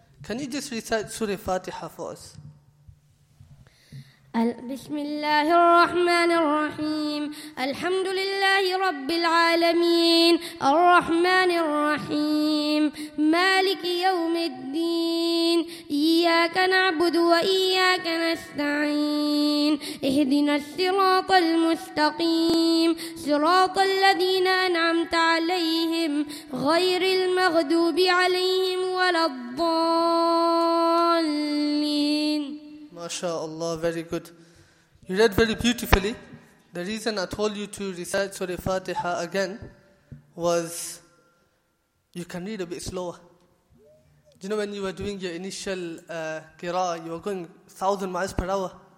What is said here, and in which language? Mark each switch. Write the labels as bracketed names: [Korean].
[English] Can you just recite Surah Fatiha for us? [Arabic] بسم الله الرحمن الرحيم الحمد لله رب العالمين الرحمن الرحيم مالك يوم الدين إياك نعبد وإياك نستعين اهدنا الصراط المستقيم صراط الذين أنعمت عليهم غير المغضوب عليهم ولا الضالين. [English] MashaAllah, very good. You read very beautifully. The reason I told you to recite Surah Fatiha again was you can read a bit slower. Do you know when you were doing your initial qira'ah, you were going 1,000 miles per hour.